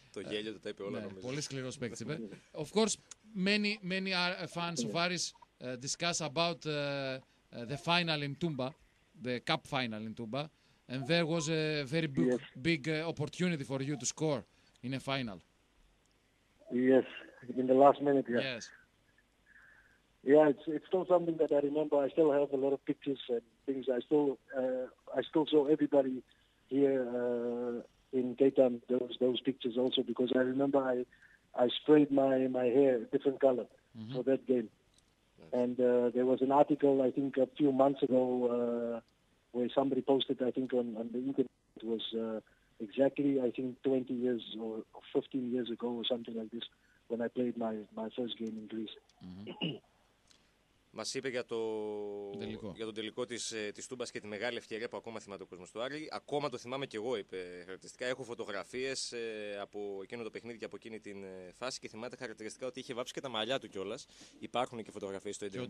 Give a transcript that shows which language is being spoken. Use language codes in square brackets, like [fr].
[el] Το γέλιο του τα είπε όλα νομίζω. Πολύ σκληρός παίκτης είπε. [en] Of course, many are fans of Aris discuss about the final in Tumba, the cup final in Tumba. And there was a very big opportunity for you to score in a final. Yes, in the last minute, yeah. Yes. Yeah, it's still something that I remember. I still have a lot of pictures and things. I still saw everybody here in Cape Town those pictures also because I remember I sprayed my hair a different color mm-hmm. for that game. Yes. And there was an article, I think, a few months ago... where somebody posted, I think, on the internet, it was exactly, I think, 20 years or 15 years ago or something like this, when I played my first game in Greece. [el] Μας είπε για τον τελικό της Τούμπας και τη μεγάλη ευκαιρία που ακόμα θυμάται ο κόσμος του Άρη. Ακόμα το θυμάμαι και εγώ, είπε χαρακτηριστικά. Έχω φωτογραφίες από εκείνο το παιχνίδι και από εκείνη την φάση και θυμάται χαρακτηριστικά ότι είχε βάψει και τα μαλλιά του κιόλας. Υπάρχουν και φωτογραφίες στο Ιντερνετ.